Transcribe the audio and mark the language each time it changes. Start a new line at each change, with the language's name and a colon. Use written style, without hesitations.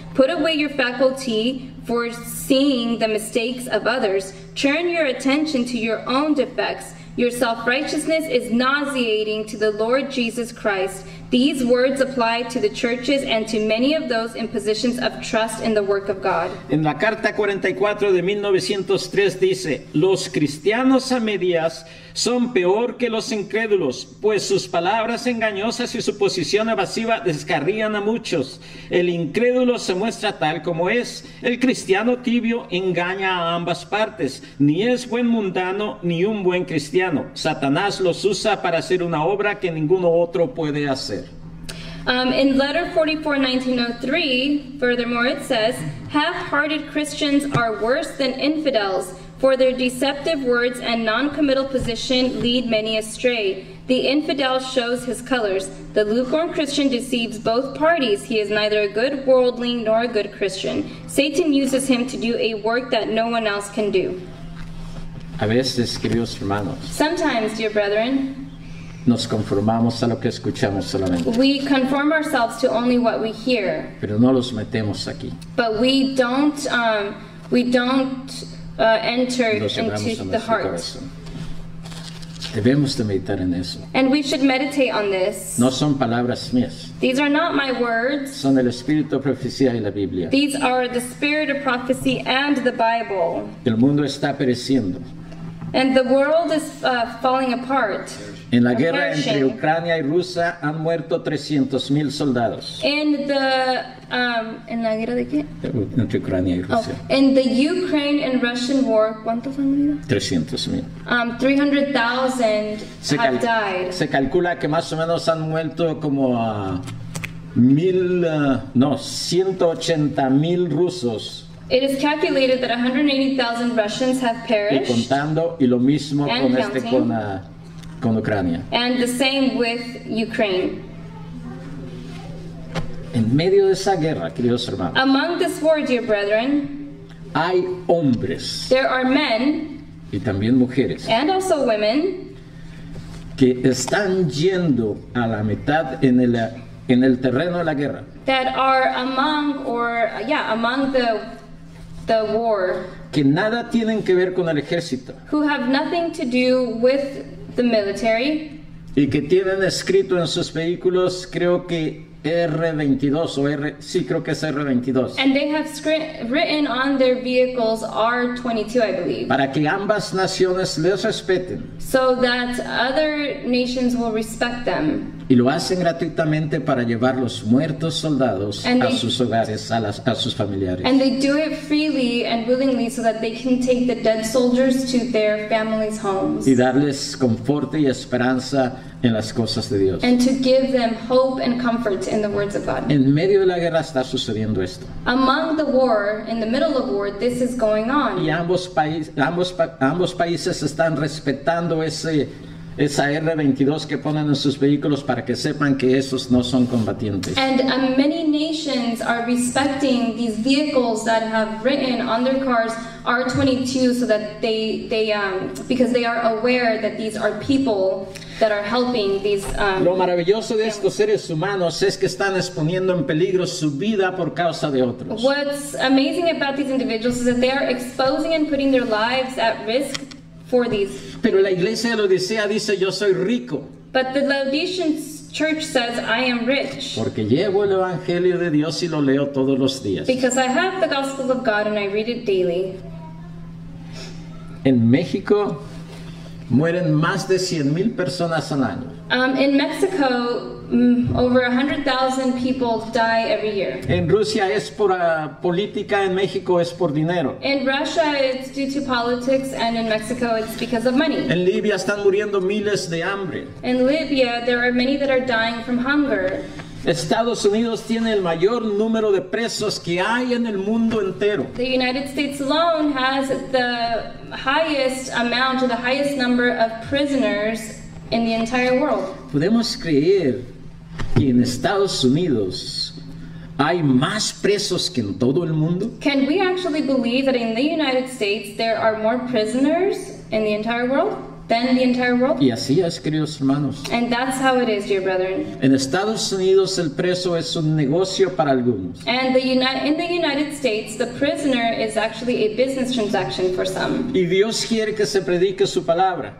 English: Put away your faculty for seeing the mistakes of others. Turn your attention to your own defects. Your self-righteousness is nauseating to the Lord Jesus Christ. These words apply to the churches and to many of those in positions of trust in the work of God.
Spanish: En la carta 44 de 1903 dice, los cristianos a medias son peor que los incrédulos, pues sus palabras engañosas y su posición evasiva descarrían a muchos. El incrédulo se muestra tal como es. El cristiano tibio engaña a ambas partes. Ni es buen mundano ni un buen cristiano. Satanás los usa para hacer una obra que ninguno otro puede hacer.
English: In letter 44-1903, furthermore, it says, half-hearted Christians are worse than infidels, for their deceptive words and non-committal position lead many astray. The infidel shows his colors. The lukewarm Christian deceives both parties. He is neither a good worldling nor a good Christian. Satan uses him to do a work that no one else can do.
Spanish: A veces, queridos hermanos.
English: Sometimes, dear brethren,
Spanish: nos conformamos a lo que escuchamos solamente.
English: We conform ourselves to only what we hear.
Spanish: Pero no los metemos aquí.
English: But we don't enter into the heart.
Spanish: Debemos de meditar en eso.
English: And we should meditate on this.
Spanish: No son palabras mías.
English: These are not my words.
Spanish: Son el espíritu de profecía y la Biblia.
English: These are the spirit of prophecy and the Bible.
Spanish: El mundo está pereciendo.
English: And the world is falling apart.
Spanish: En la guerra entre Ucrania y Rusia han muerto 300,000 soldados. En la guerra de qué? Entre Ucrania y Rusia.
English: In the Ukraine and Russian war,
Spanish: ¿cuántos han muerto?
English: 300,000. 300,000 have died.
Spanish: Se calcula que más o menos han muerto como 180,000 rusos.
English: It is calculated that 180,000 Russians have perished.
Spanish: Y contando y lo mismo
English: and
Spanish: con
English: counting.
Spanish: Este con con Ucrania.
English: And the same with Ukraine.
Spanish: En medio de esa guerra, queridos hermanos.
English: Among this war, dear brethren.
Spanish: Hay hombres.
English: There are men.
Spanish: Y también mujeres.
English: And also women.
Spanish: Que están yendo a la mitad en el terreno de la guerra.
English: That are among the war.
Spanish: Que nada tienen que ver con el ejército.
English: Who have nothing to do with the military.
Spanish: Y que tienen escrito en sus vehículos, creo que R22 o R, sí, creo que es R22.
English: And they have written on their vehicles R22, I believe.
Spanish: Para que ambas naciones les respeten.
English: So that other nations will respect them.
Spanish: Y lo hacen gratuitamente para llevar los muertos soldados
English: and
Spanish: a sus hogares, a sus familiares.
English: And they do it freely and willingly so that they can take the dead soldiers to their families' homes.
Spanish: Y darles confort y esperanza en las cosas de Dios.
English: And to give them hope and comfort in the words of God.
Spanish: En medio de la guerra está sucediendo esto.
English: Among the war, in the middle of war, this is going on.
Spanish: Y ambos países están respetando ese... Esa R22 que ponen en sus vehículos para que sepan que esos no son combatientes.
English: And many nations are respecting these vehicles that have written on their cars R22 so that because they are aware that these are people that are helping these
Spanish: Lo maravilloso de estos seres humanos es que están exponiendo en peligro su vida por causa de otros.
English: What's amazing about these individuals is that they are exposing and putting their lives at risk for these.
Spanish: Pero la iglesia de la Odisea dice, yo soy rico.
English: But the Laodicean church says, I am rich.
Spanish: Porque llevo el evangelio de Dios y lo leo todos los días.
English: Because I have the gospel of God and I read it daily.
Spanish: En México mueren más de 100,000 personas al año.
English: In Mexico, over 100,000 people die every year.
Spanish: En Rusia es por política, en México es por dinero.
English: In Russia, it's due to politics, and in Mexico, it's because of money.
Spanish: En Libia están muriendo miles de hambre.
English: In Libya, there are many that are dying from hunger.
Spanish: Estados Unidos tiene el mayor número de presos que hay en el mundo entero.
English: The United States alone has the highest amount or the highest number of prisoners in the entire world.
Spanish: Podemos creer que en Estados Unidos hay más presos que en todo el mundo?
English: Can we actually believe that in the United States there are more prisoners in the entire world than the entire world?
Spanish: Y así es, queridos hermanos.
English: And that's how it is, dear brethren.
Spanish: En Estados Unidos el preso es un negocio para algunos.
English: And in the United States the prisoner is actually a business transaction for some.
Spanish: Y Dios quiere que se predique su palabra.